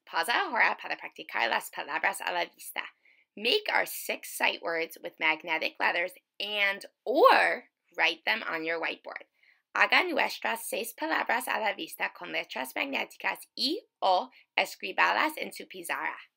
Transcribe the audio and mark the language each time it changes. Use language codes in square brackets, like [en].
[es] Pausa ahora para practicar las palabras a la vista. [en] Make our 6 sight words with magnetic letters and or write them on your whiteboard. [es] Haga nuestras 6 palabras a la vista con letras magnéticas y o escribalas en su pizarra.